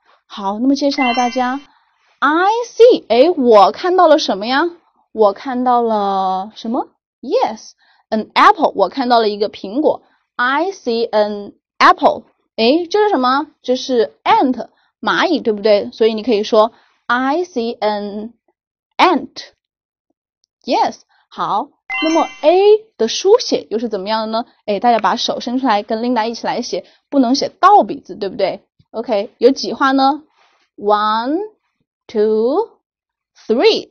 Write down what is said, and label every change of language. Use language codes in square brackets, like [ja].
[zh] 好，那么接下来大家，I see. 哎，我看到了什么呀？我看到了什么？Yes. [en] An apple， [zh] 我看到了一个苹果。 [en] I see an apple。 [zh] 哎，这是什么？这是 ant，蚂蚁，对不对？所以你可以说 [en] I see an ant。 Yes，好。 [zh] 那么 A 的书写又是怎么样的呢？哎，大家把手伸出来，跟 Linda 一起来写，不能写倒笔字，对不对？OK，有几画呢？ [en] One, two, three。